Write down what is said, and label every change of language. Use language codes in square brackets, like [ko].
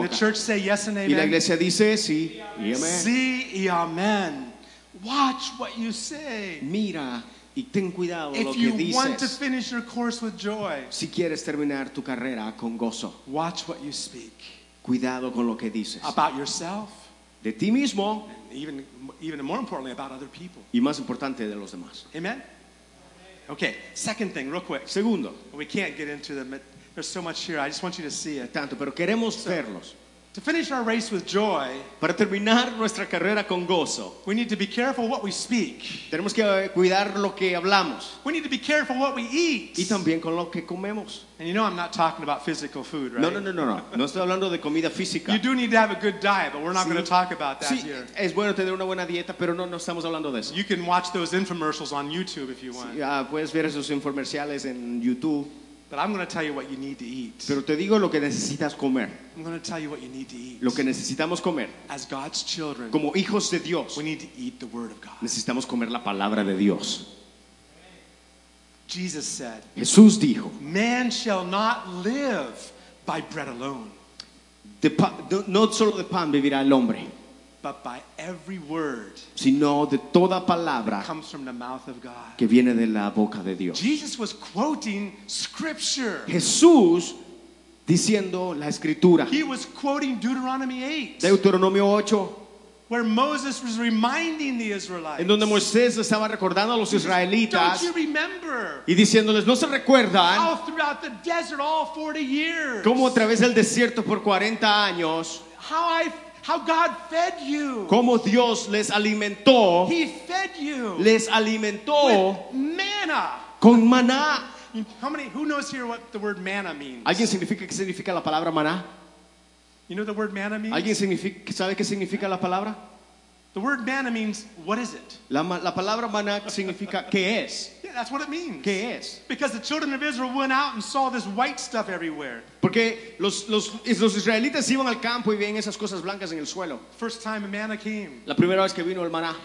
[en] Can the church say yes and amen? [es] Y la iglesia dice sí. Y amén. Sí, [en] amen. Watch what you say. [es] Mira y ten cuidado [en] if [es] lo que dices. [en] If you want to finish your course with joy, [es] si quieres terminar tu carrera con gozo, [en] watch what you speak. [es] Cuidado con lo que dices. [en] About yourself. [es] De ti mismo. [en] Even more importantly, about other people. [es] Y más importante de los demás. [en] Amen. Okay. Second thing, real quick. [es] Segundo. [en] We can't get into the. There's so much here. I just want you to see it. [es] Tanto, pero queremos verlos. [en] To finish our race with joy, [es] para terminar nuestra carrera con gozo, [en] we need to be careful what we speak. [es] Tenemos que cuidar lo que hablamos. [en] We need to be careful what we eat. [es] Y también con lo que comemos. [en] And you know I'm not talking about physical food, right? [es] No. No estoy hablando de comida física. [en] You do need to have a good diet, but we're not [es] sí. [en] going to talk about that [es] sí, [en] here. [es] Es bueno tener una buena dieta, pero no estamos hablando de eso. [en] You can watch those infomercials on YouTube if you want. [es] Sí, puedes ver esos infomerciales en YouTube. [en] But I'm going to tell you what you need to eat. [es] Pero te digo lo que necesitas comer. [en] I'm going to tell you what you need to eat. [es] Lo que necesitamos comer. [en] As God's children. [es] Como hijos de Dios. [en] We need to eat the word of God. [es] Necesitamos comer la palabra de Dios. [en] Jesus said. [es] Jesús dijo. [en] Man shall not live by bread alone. [es] No solo de pan vivirá el hombre. [en] But by every word, [es] sino de toda palabra, [en] comes from the mouth of God, [es] que viene de la boca de Dios. [en] Jesus was quoting scripture. [es] Jesús diciendo la escritura. [en] He was quoting Deuteronomy 8. [es] Deuteronomio 8. [en] Where Moses was reminding the Israelites. [es] En donde Moisés estaba recordando a los israelitas. [en] Don't you remember? [es] Y diciéndoles, ¿no se recuerdan? [en] How throughout the desert all 40 years. [es] Como a través del desierto por 40 años. [en] How God fed you. [es] Como Dios les alimentó. [en] He fed you. [es] Les alimentó. [en] With manna. [es] Con maná. [en] Who knows here what the word manna means? [es] ¿Alguien significa qué significa la palabra maná? [en] You know the word manna means? [es] ¿Alguien sabe qué significa la palabra? [en] The word manna means, what is it? [es] La palabra maná significa, ¿qué es? [en] Yeah, that's what it means. [es] ¿Qué es? [en] Because the children of Israel went out and saw this white stuff everywhere. [es] Porque los israelitas iban al campo y veían esas cosas blancas en el suelo. [en] First time a manna came. [es] La primera vez que vino el maná.